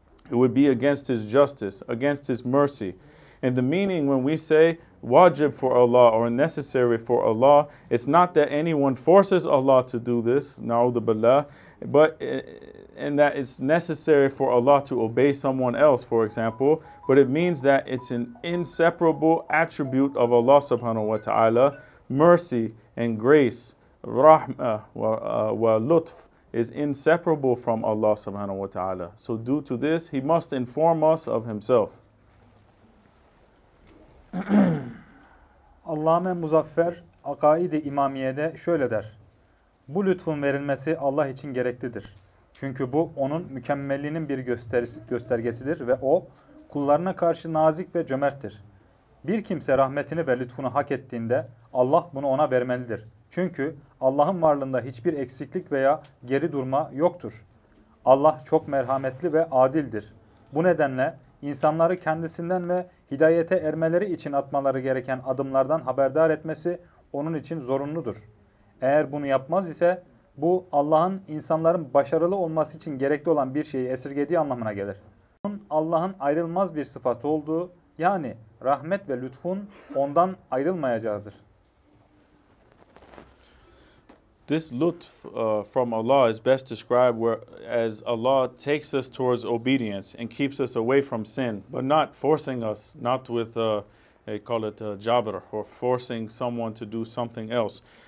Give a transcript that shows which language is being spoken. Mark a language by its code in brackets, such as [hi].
[en] It would be against his justice, against his mercy. And the meaning when we say wajib for Allah or necessary for Allah, it's not that anyone forces Allah to do this, [ar] na'udhu billah, [en] but and that it's necessary for Allah to obey someone else, for example, but it means that it's an inseparable attribute of Allah subhanahu wa ta'ala. Mercy and grace, [ar] rahmah wa lutf, [en] is inseparable from Allah subhanahu wa ta'ala. So due to this, he must inform us of himself. [tr] Allame Muzaffer Akaid-i İmamiye'de şöyle der: bu lütfun verilmesi Allah için gereklidir. Çünkü bu onun mükemmelliğinin bir göstergesidir ve o kullarına karşı nazik ve cömerttir. Bir kimse rahmetini ve lütfunu hak ettiğinde Allah bunu ona vermelidir. Çünkü Allah'ın varlığında hiçbir eksiklik veya geri durma yoktur. Allah çok merhametli ve adildir. Bu nedenle insanları kendisinden ve hidayete ermeleri için atmaları gereken adımlardan haberdar etmesi onun için zorunludur. Eğer bunu yapmaz ise bu Allah'ın insanların başarılı olması için gerekli olan bir şeyi esirgediği anlamına gelir. Bunun Allah'ın ayrılmaz bir sıfatı olduğu, yani rahmet ve lütfun ondan ayrılmayacağıdır. [en] This lutf from Allah is best described as Allah takes us towards obedience and keeps us away from sin, but not forcing us, not with, they call it jabr, or forcing someone to do something else.